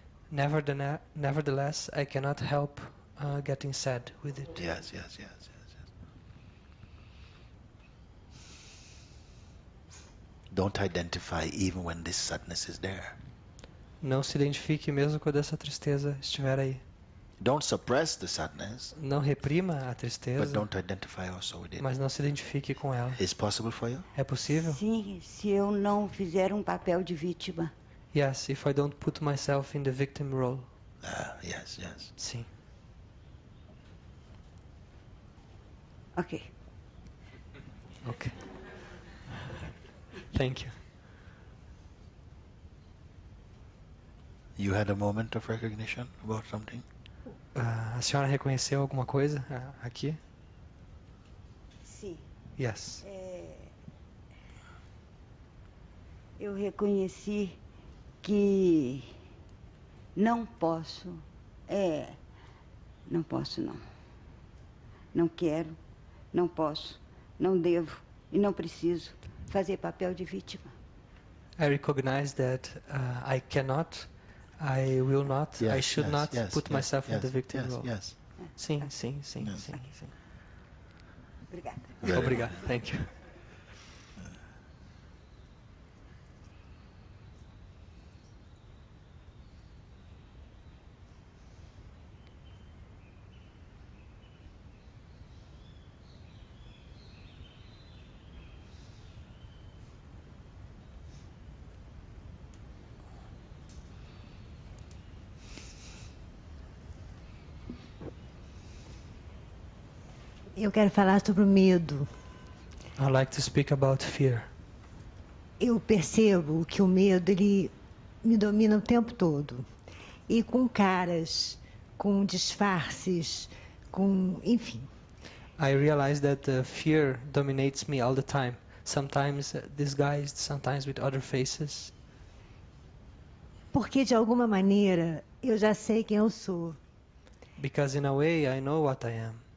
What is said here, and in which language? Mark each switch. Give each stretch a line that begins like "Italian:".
English: Nevertheless, I cannot help getting sad with it. Yes, yes, yes. Don't identify even when this sadness is there.
Portuguese: Não se identifique mesmo quando essa tristeza estiver aí.
English: Don't suppress the sadness.
Portuguese: Não reprima a tristeza.
English: But don't identify also with it.
Portuguese: Mas não se identifique com ela.
English: Is possible for you?
Portuguese: É possível? Sim, se eu não fizer um papel de vítima.
English: Yes, if I don't put myself in the victim role. Yes, yes.
Portuguese: Sim.
English: Ok. Ok. Thank you. You had a moment of recognition about something?
Portuguese: A senhora reconheceu alguma coisa aqui? Sim.
English: Yes.
Portuguese: Eu reconheci que não posso, não posso não. Não quero, não posso, não devo e não preciso fazer papel de vítima.
English: I recognize that I cannot, I will not, yes, I should yes, not yes, put myself yes, in the victim yes, role. Yes.
Portuguese: Sim, sim, sim,
English: yes.
Portuguese: Sim, sim. Obrigada.
English: Yeah.
Portuguese: Obrigado.
English: Thank you.
Portuguese: Eu quero falar sobre o medo.
English: I like to speak about fear.
Portuguese: Eu percebo que o medo ele me domina o tempo todo. E com caras, com disfarces, com, enfim.
English: I realize that fear dominates me all the time. Sometimes disguised, sometimes with other faces.
Portuguese: Porque de alguma maneira eu já sei quem eu sou.
English: Because in a way I know what I am.